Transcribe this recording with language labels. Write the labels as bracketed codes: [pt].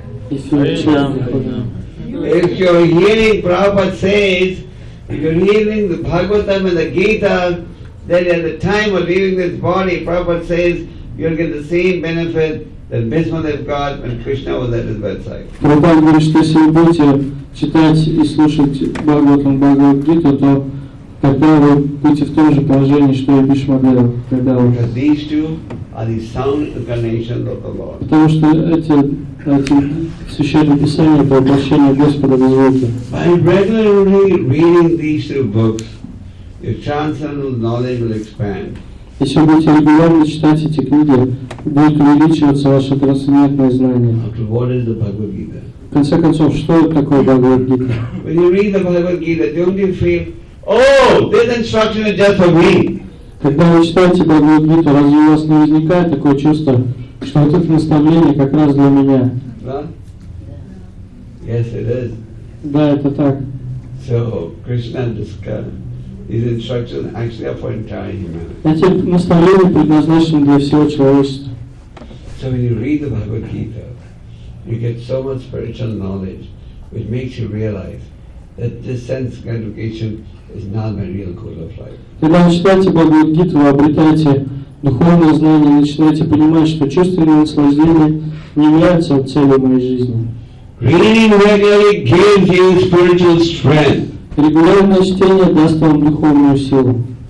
[en] If you're hearing Prabhupada says, if you're hearing the Bhagavatam and the Gita, then at the time of leaving this body, Prabhupada says, you'll get the same benefit that Bhishma Dev got when Krishna was at his bedside. [ru] Prabhupada говорит, что если вы будете читать и слушать Бхагаватам, Бхагавад-гиту, то тогда вы будете в том же положении, что и Бхишма Дева, когда вы... Потому что эти священные писания — это обращение Господа без звука. [en] By regularly reading these two books, your transcendental knowledge will expand. [ru] Если вы будете регулярно читать эти книги, будет увеличиваться ваше трансцендентное знание. [en] After what is the Bhagavad Gita? [ru] В конце концов, что это такое Bhagavad Gita? [en] When you read the Bhagavad Gita, don't you feel, oh, this instruction is just for me? [ru] Когда вы читаете Бхагавад-гиту, разве у вас не возникает такое чувство, что вот это наставление как раз для меня? [en] Yes, it is. [ru] Да, это так. [en] So Krishna is instruction actually for entire humanity. So when you read the Bhagavad Gita, you get so much spiritual knowledge, which makes you realize that this sense gratification is not my real goal of life. [ru] Когда вы читаете Бхагавад Гиту, вы обретаете духовное знание, начинаете понимать, что чувственное наслаждение не является целью моей жизни. Регулярное чтение даст вам духовную силу.